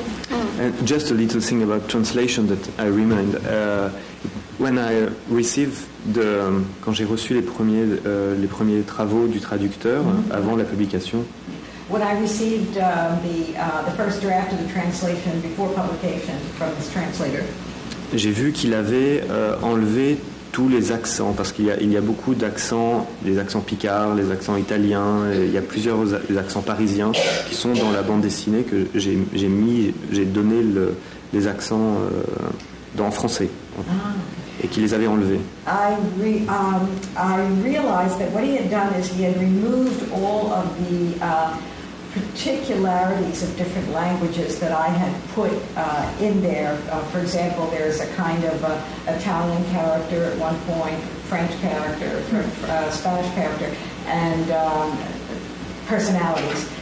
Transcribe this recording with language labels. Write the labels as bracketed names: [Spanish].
[English] And just a little thing about translation that I remind. When I receive the, [French] quand j'ai reçu les premiers travaux du traducteur avant la publication. [English] When I received the first draft of the translation before publication from this translator. [French] J'ai vu qu'il avait enlevé tous les accents, parce qu'il y a beaucoup d'accents, les accents picards, les accents italiens, il y a plusieurs accents parisiens qui sont dans la bande dessinée que j'ai donné les accents dans français, et qu'il les avait enlevés. [English] I realized that what he had done is he had removed all of the particularities of different languages that I had put in there. For example, there's a kind of Italian character at one point, French character, Spanish character, and personalities.